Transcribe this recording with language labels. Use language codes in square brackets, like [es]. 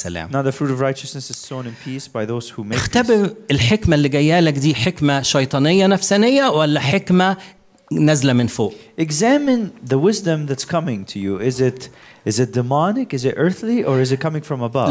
[en] Now the fruit of righteousness is sown in peace by those who make [ar] اختبر [en] peace. [ar] الحكمة اللي جاية لك دي حكمة شيطانية نفسانية ولا حكمة نازلة من فوق. [en] Examine the wisdom that's coming to you. Is it demonic? Is it earthly? Or is it coming from above?